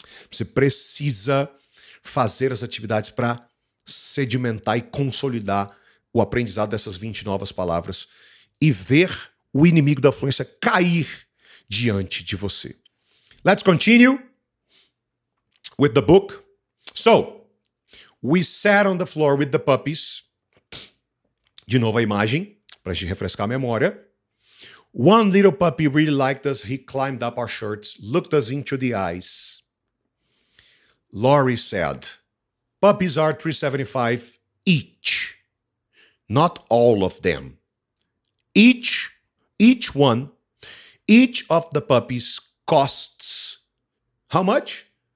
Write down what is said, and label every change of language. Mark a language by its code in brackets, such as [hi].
[pt] Você precisa fazer as atividades para sedimentar e consolidar o aprendizado dessas 20 novas palavras e ver o inimigo da fluência cair diante de você. [en] Let's continue with the book. So, we sat on the floor with the puppies. [pt] De novo a imagem, para a gente refrescar a memória. [en] One little puppy really liked us. He climbed up our shirts, looked us into the eyes. Laurie said, puppies are $375 each. Not all of them. Each of the puppies costs how much?